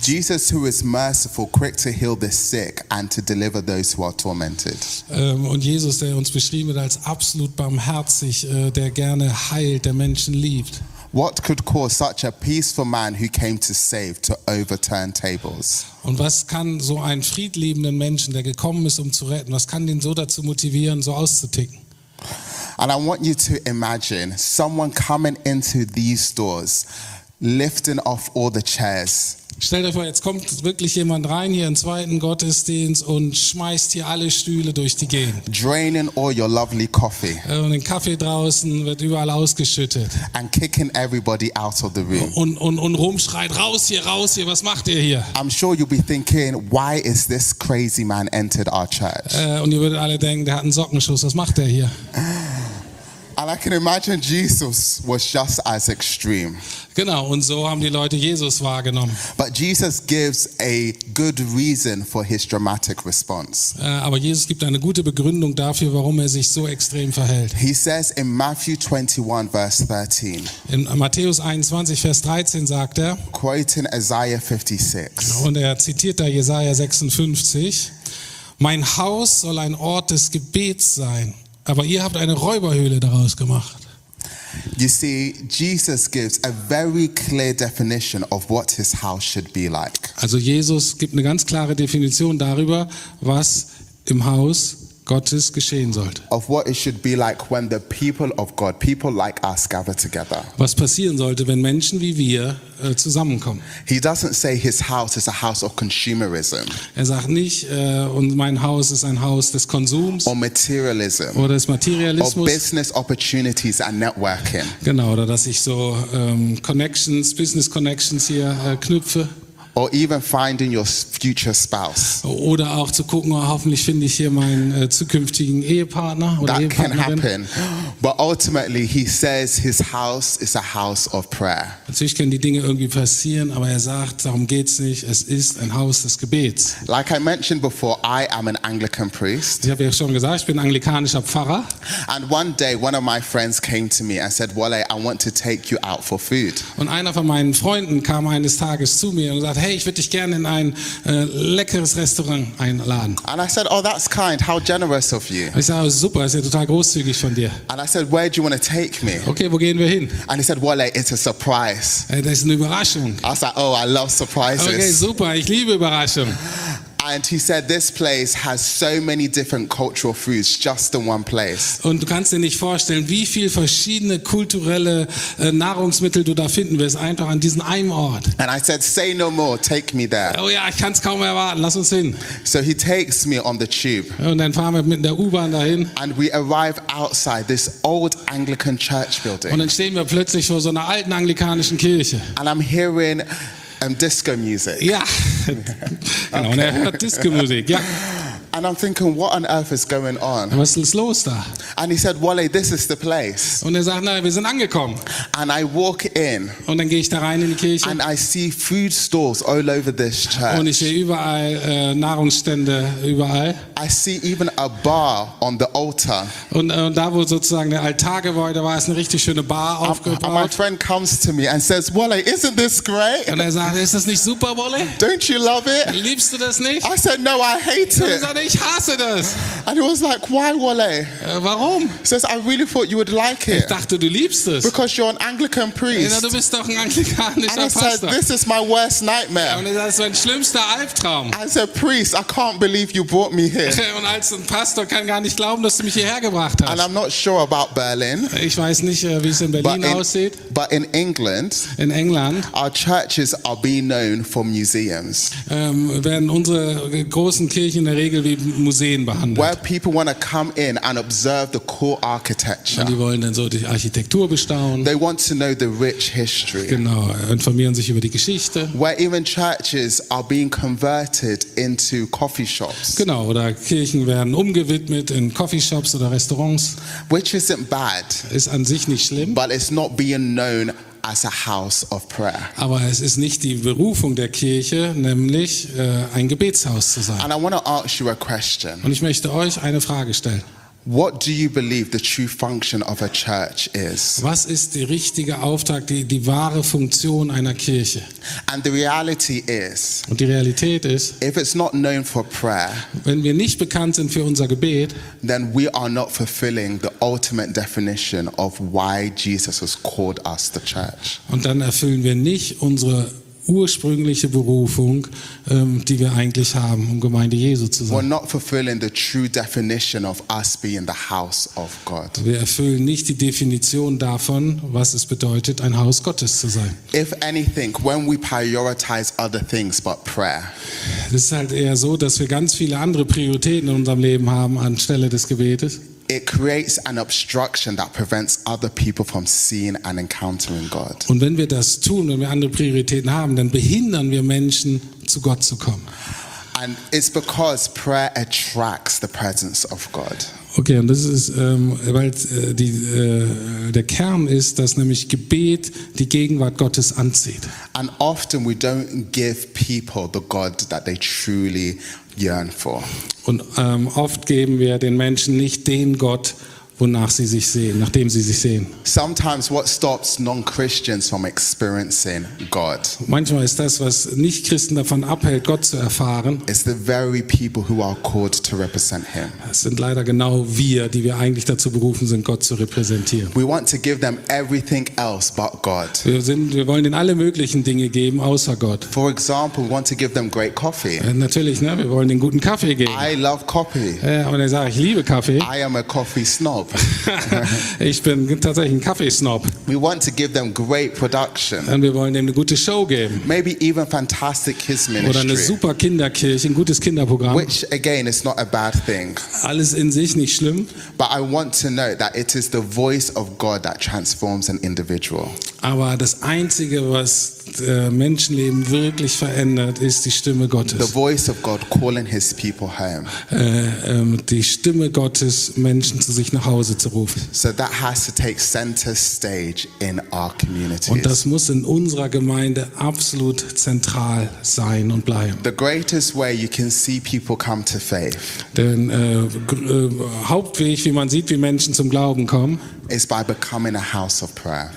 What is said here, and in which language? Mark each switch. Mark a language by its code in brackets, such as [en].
[en] Jesus, who is merciful, quick to heal the sick and to deliver those who are tormented. [de] Und Jesus, der uns beschrieben wird als absolut barmherzig, der gerne heilt, der Menschen liebt. [en] What could cause such a peaceful man who came to save to overturn tables? [de] Und was kann so einen friedliebenden Menschen, der gekommen ist, um zu retten, was kann den so dazu motivieren, so auszuticken? [en] And I want you to imagine someone coming into these doors, lifting off all the chairs. [de] Stell dir vor, jetzt kommt wirklich jemand rein hier im zweiten Gottesdienst und schmeißt hier alle Stühle durch die Gegend. [en] Draining all your lovely coffee. [de] Und den Kaffee draußen wird überall ausgeschüttet. [en] And kicking everybody out of the room. [de] Und rumschreit, raus hier, was macht ihr hier? [en] I'm sure you'll be thinking, why is this crazy man entered our church? [de] Und ihr würdet alle denken, der hat einen Sockenschuss, was macht der hier? [en] And I can imagine Jesus was just as extreme. [de] Genau, und so haben die Leute Jesus wahrgenommen. [en] But Jesus gives a good reason for his dramatic response. [de] Aber Jesus gibt eine gute Begründung dafür, warum er sich so extrem verhält. [en] He says in Matthew 21 verse 13. [de] In Matthäus 21 Vers 13 sagt er. [en] Quoting Isaiah 56. [de] Und er zitiert da Jesaja 56. Mein Haus soll ein Ort des Gebets sein. Aber ihr habt eine Räuberhöhle daraus gemacht. [en] You see, Jesus gives a very clear definition of what his house should be like. [de] Also Jesus gibt eine ganz klare Definition darüber, was im Haus Gottes geschehen sollte. [en] Of what it should be like when the people of God, people like us, gather together. [de] Was passieren sollte, wenn Menschen wie wir zusammenkommen? [en] He doesn't say his house is a house of consumerism. [de] Er sagt nicht, und mein Haus ist ein Haus des Konsums. [en] Or materialism. [de] Oder des Materialismus. [en] Or business opportunities and networking. [de] Genau, oder dass ich so Connections, Business Connections hier knüpfe. [en] Or even finding your future spouse. [de] Oder auch zu gucken, hoffentlich finde ich hier meinen zukünftigen Ehepartner oder [en] that Ehepartnerin. That can happen. But ultimately he says his house is a house of prayer. [de] Natürlich können die Dinge irgendwie passieren, aber er sagt, darum geht's nicht, es ist ein Haus des Gebets. [en] Like I mentioned before, I am an Anglican priest. [de] Ich habe ja schon gesagt, ich bin anglikanischer Pfarrer. [en] And one day one of my friends came to me and said, Wale, I want to take you out for food. [de] Und einer von meinen Freunden kam eines Tages zu mir und sagte, hey, ich würde dich gerne in ein leckeres Restaurant einladen. [en] And I said, oh, that's kind. How generous of you. [de] Ich sagte, super, ist ja total großzügig von dir. [en] And I said, where do you want to take me? [de] Okay, wo gehen wir hin? [en] And he said, Wale, it's a surprise. [de] Das ist eine Überraschung. [en] I said, oh, I love surprises. [de] Okay, super, ich liebe Überraschungen. [en] And he said, this place has so many different cultural foods just in one place. [de] Und du kannst dir nicht vorstellen, wie viel verschiedene kulturelle Nahrungsmittel du da finden wirst, einfach an diesem einen Ort. [en] And I said, say no more, take me there. [de] Oh ja, ich kann es kaum mehr erwarten, lass uns hin. [en] So he takes me on the tube. [de] Und dann fahren wir mit der U-Bahn dahin. [en] And we arrive outside this old Anglican church building. [de] Und dann stehen wir plötzlich vor so einer alten anglikanischen Kirche. [en] And I'm hearing disco music. [de] Yeah. Genau, okay. Und er hört Disco Musik. Ja. [en] And I'm thinking, what on earth is going on? [de] Was ist los da? [en] And he said, Wale, this is the place. [de] Und er sagt, nein, wir sind angekommen. [en] And I walk in. [de] Und dann gehe ich da rein in die Kirche. [en] And I see food stores all over this church. [de] Und ich sehe überall Nahrungsstände überall. [en] I see even a bar on the altar. [de] Und da, wo sozusagen der Altar geweiht, da war es eine richtig schöne Bar aufgebaut. [en] And my friend comes to me and says, Wale, isn't this great? [de] Und er sagt, ist das nicht super, Wale? [en] Don't you love it? [de] Liebst du das nicht? [en] I said, no, I hate it. [de] Ich hasse das. [en] And he was like, why, Wale? [de] Warum? [en] He says, I really thought you would like it. [de] Ich dachte, du liebst es. [en] Because you're an Anglican priest. [de] Ja, du bist doch ein anglikanischer [en] and [de] Pastor. And [en] he said, this is my worst nightmare. [de] Und er sagt, das ist mein schlimmster Albtraum. [en] As a priest, I can't believe you brought me here. [de] Und als ein Pastor kann gar nicht glauben, dass du mich hierher gebracht hast. [en] And I'm not sure about Berlin. [de] Ich weiß nicht, wie es in Berlin aussieht. [en] But in England, our churches are being known for museums. [de] Werden unsere großen Kirchen in der Regel wie Museen behandelt. [en] Where people want to come in and observe the core architecture. [de] Und die wollen dann so die Architektur bestaunen. [en] They want to know the rich history. [de] Genau, informieren sich über die Geschichte. [en] Where even churches are being converted into coffee shops. [de] Genau, oder Kirchen werden umgewidmet in coffee shops oder Restaurants. [en] Which isn't bad. [de] Ist an sich nicht schlimm. [en] But it's not being known as a house of prayer. [de] Aber es ist nicht die Berufung der Kirche, nämlich ein Gebetshaus zu sein. [en] And I want to ask you a question. [de] Und ich möchte euch eine Frage stellen. [en] What do you believe the true function of a church is? [de] Was ist der richtige Auftrag, die wahre Funktion einer Kirche? [en] And the reality is. [de] Und die Realität ist. [en] If it's not known for prayer. [de] Wenn wir nicht bekannt sind für unser Gebet. [en] Then we are not fulfilling the ultimate definition of why Jesus has called us the church. [de] Und dann erfüllen wir nicht unsere ursprüngliche Berufung, die wir eigentlich haben, um Gemeinde Jesu zu sein. [en] We're not fulfilling the true definition of us being the house of God. [de] Wir erfüllen nicht die Definition davon, was es bedeutet, ein Haus Gottes zu sein. [en] If anything, when we prioritize other things but prayer. [de] Es ist halt eher so, dass wir ganz viele andere Prioritäten in unserem Leben haben anstelle des Gebetes. [en] It creates an obstruction that prevents other people from seeing and encountering God. [de] Und wenn wir das tun, wenn wir andere Prioritäten haben, dann behindern wir Menschen, zu Gott zu kommen. [en] And it's because prayer attracts the presence of God. [de] Okay, und das ist, weil die, der Kern ist, dass nämlich Gebet die Gegenwart Gottes anzieht. [en] And often we don't give people the God that they truly yearn for. [de] Und oft geben wir den Menschen nicht den Gott, wonach sie sich sehen, nachdem sie sich sehen. [en] Sometimes what stops non-Christians from experiencing God. [de] Manchmal ist das, was Nicht-Christen davon abhält, Gott zu erfahren, [en] is the very people who are called to represent him. [de] Es sind leider genau wir, die wir eigentlich dazu berufen sind, Gott zu repräsentieren. [en] We want to give them everything else but God. [de] Wir wollen ihnen alle möglichen Dinge geben, außer Gott. [en] For example, we want to give them great coffee. [de] Natürlich, ne, wir wollen ihnen guten Kaffee geben. [en] I love coffee. [de] Und dann sage ich, liebe Kaffee. [en] I am a coffee snob. [de] Ich bin tatsächlich ein Kaffeesnob. [en] We want to give them great production. [de] Und wir wollen ihnen eine gute Show geben. [en] Maybe even fantastic kids ministry. [de] Oder eine super Kinderkirche, ein gutes Kinderprogramm. [en] Which again is not a bad thing. [de] Alles in sich nicht schlimm. [en] But I want to note that it is the voice of God that transforms an individual. [de] Aber das Einzige, was Menschenleben wirklich verändert, ist die Stimme Gottes. [en] The voice of God calling his people home. [de] Die Stimme Gottes, Menschen zu sich nach Hause zu rufen. [en] So that has to take center stage in our communities. [de] Und das muss in unserer Gemeinde absolut zentral sein und bleiben. [en] The greatest way you can see people come to faith. [de] Denn Hauptweg, wie man sieht, wie Menschen zum Glauben kommen, [en] is by becoming a house of prayer.